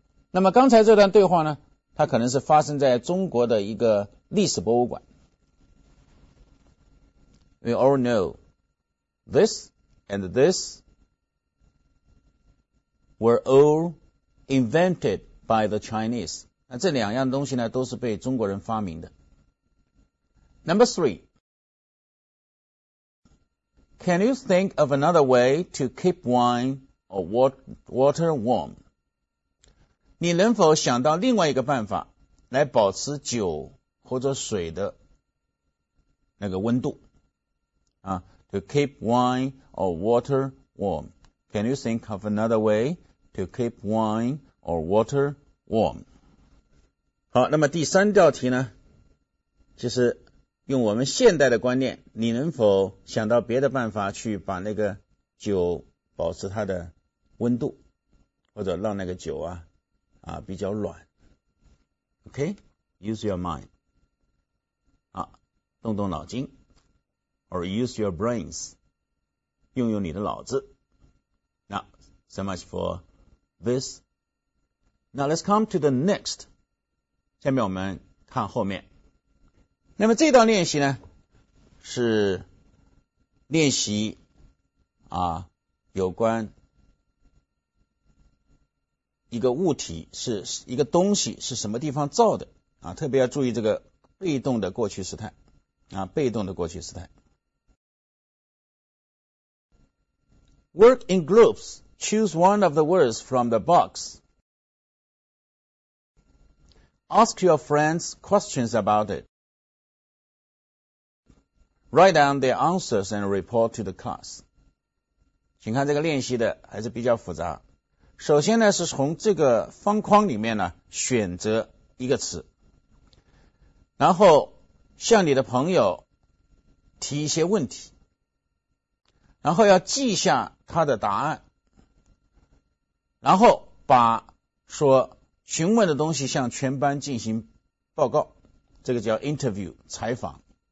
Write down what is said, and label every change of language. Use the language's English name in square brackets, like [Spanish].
[Chinese] 那么刚才这段对话呢，它可能是发生在中国的一个历史博物馆。 [English] We all know this and this were all invented by the Chinese. [Chinese] 那这两样东西呢，都是被中国人发明的。 [English] Number three, can you think of another way to keep wine or water warm? [Chinese] 你能否想到另外一个办法来保持酒或者水的那个温度？ [English] To keep wine or water warm. Can you think of another way to keep wine or water warm? [Chinese] 好，那么第三道题呢，就是用我们现代的观念，你能否想到别的办法去把那个酒保持它的温度，或者让那个酒比较软？ [English] OK? Use your mind. [Chinese] 好，动动脑筋。 [English] Or use your brains. [Chinese] 用用你的脑子。 [English] Now, so much for this. Now, let's come to the next. [Chinese] 下面我们看后面。那么这道练习呢，是练习有关一个物体，是一个东西是什么地方造的啊，特别要注意这个被动的过去时态啊，被动的过去时态。 [English] Work in groups. Choose one of the words from the box. Ask your friends questions about it. Write down their answers and report to the class. [Chinese] 请看这个练习的还是比较复杂。首先呢，是从这个方框里面呢选择一个词，然后向你的朋友提一些问题，然后要记下他的答案，然后把说询问的东西向全班进行报告，这个叫 interview 采访。